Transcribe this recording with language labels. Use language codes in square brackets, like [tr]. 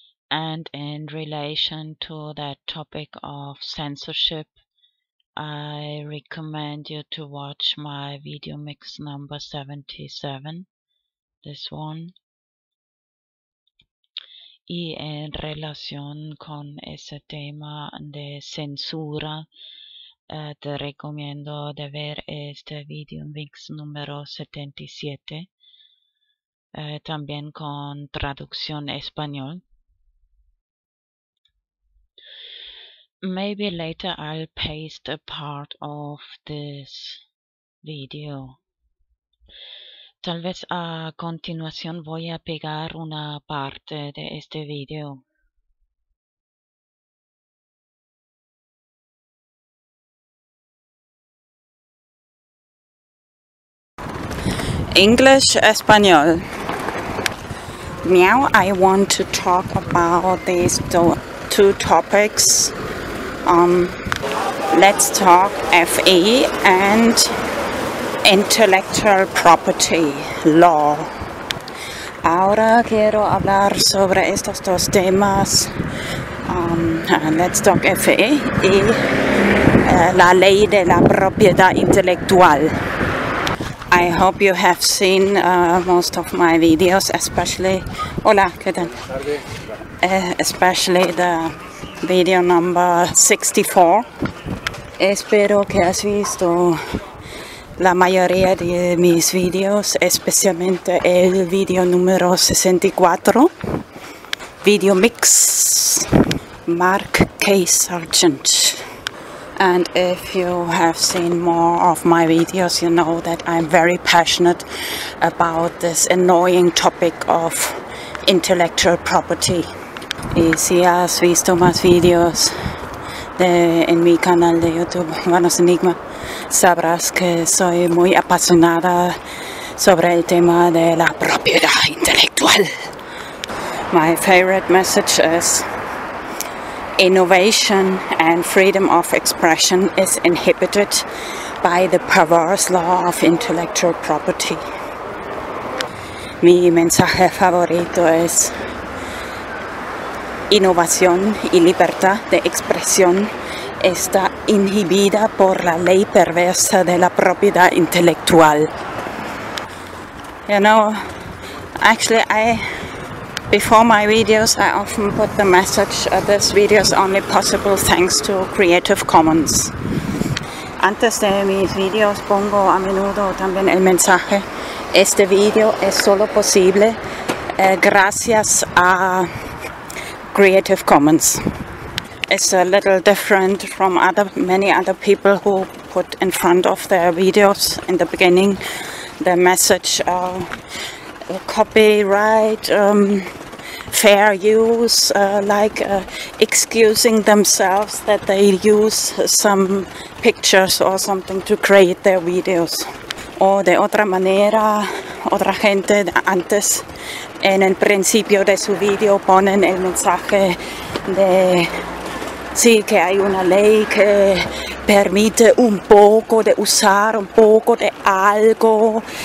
[en] And in relation to that topic of censorship, I recommend you to watch my video mix number 77, this one. [es] Y en relación con ese tema de censura, te recomiendo de ver este video mix número 77, también con traducción español. [en] Maybe later I'll paste a part of this video. [es] Tal vez a continuación voy a pegar una parte de este video. [en] English, español. Now I want to talk about these two topics. Let's talk FE and intellectual property law. [es] Ahora quiero hablar sobre estos dos temas. [en] Let's talk FE [es] y la ley de la propiedad intelectual. [en] I hope you have seen most of my videos, especially. [es] Hola, ¿qué tal? [en] Especially the video number 64. [es] Espero que has visto la mayoría de mis videos, especialmente el video número 64, Video Mix, Mark K. Sargent. [en] And if you have seen more of my videos, you know that I'm very passionate about this annoying topic of intellectual property. [es] Y si has visto más videos en mi canal de YouTube, VanosEnigmA, sabrás que soy muy apasionada sobre el tema de la propiedad intelectual. [en] My favorite message is innovation and freedom of expression is inhibited by the perverse law of intellectual property. [es] Mi mensaje favorito es innovación y libertad de expresión está inhibida por la ley perversa de la propiedad intelectual. [en] You know, actually, before my videos, I often put the message that this video is only possible thanks to Creative Commons. [es] Antes de mis videos pongo a menudo también el mensaje: este video es solo posible gracias a Creative Commons. [en] It's a little different from many other people who put in front of their videos in the beginning the message copyright, fair use, excusing themselves that they use some pictures or something to create their videos. [es] O de otra manera, otra gente antes, en el principio de su video, ponen el mensaje de sí, que hay una ley que permite un poco de usar, un poco de algo.